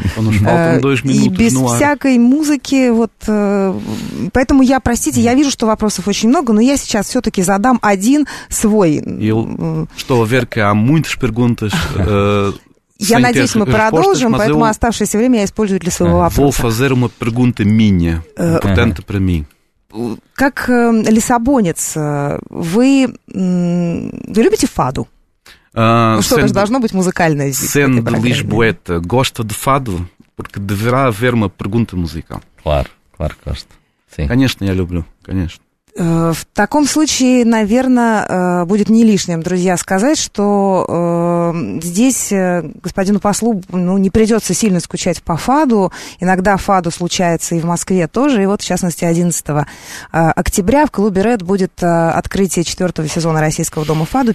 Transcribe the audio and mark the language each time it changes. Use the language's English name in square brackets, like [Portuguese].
[Russian] И без всякой музыки, вот, поэтому я, простите, я вижу, что вопросов очень много, но я сейчас все-таки задам один свой. Что, Верка, а [Portuguese] muitas perguntas... [Russian] Я надеюсь, мы продолжим, поэтому оставшееся время я использую для своего вопроса. [Portuguese] Vou fazer uma pergunta minha, portanto, para mim. [Russian] Как лиссабонец, вы любите фаду? Что, это же должно быть музыкальное здесь. [Portuguese] Sendo Lisboeta, gosta de fado? Porque deverá haver uma pergunta musical. Claro, gosto. Sim. [Russian] Конечно, я люблю, конечно. В таком случае, наверное, будет не лишним, друзья, сказать, что здесь господину послу, ну, не придется сильно скучать по фаду. Иногда фаду случается и в Москве тоже. И вот, в частности, 11 октября в клубе «Ред» будет открытие 4-го сезона российского дома фаду.